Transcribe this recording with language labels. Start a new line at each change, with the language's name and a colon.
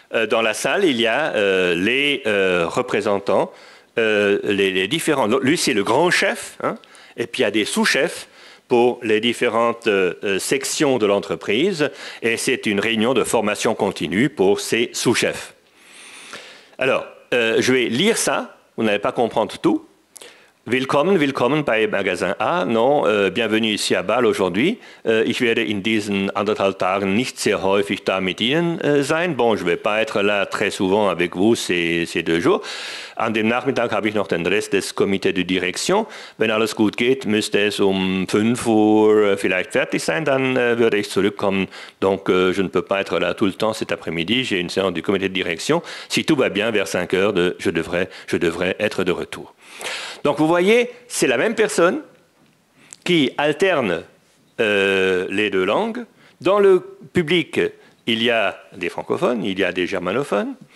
French: Dans la salle, il y a les représentants, les différents... Lui, c'est le grand chef, hein, et puis il y a des sous-chefs, pour les différentes sections de l'entreprise, et c'est une réunion de formation continue pour ses sous-chefs. Alors, je vais lire ça, vous n'allez pas comprendre tout.
German: Willkommen, willkommen bei Magasin A.
French: Non, bienvenue ici à Bâle aujourd'hui.
German: Ich werde in diesen anderthalb Tagen nicht sehr häufig da mit Ihnen sein.
French: Bon, je ne vais pas être là très souvent avec vous ces deux jours.
German: An dem Nachmittag habe ich noch den Rest des Comités de Direction. Wenn alles gut geht, müsste es 5 Uhr vielleicht fertig sein, dann würde ich zurückkommen.
French: Donc, je ne peux pas être là tout le temps cet après-midi. J'ai une séance du Comité de Direction. Si tout va bien, vers 5 heures, je devrais être de retour. Donc, vous voyez, c'est la même personne qui alterne les deux langues. Dans le public, il y a des francophones, il y a des germanophones.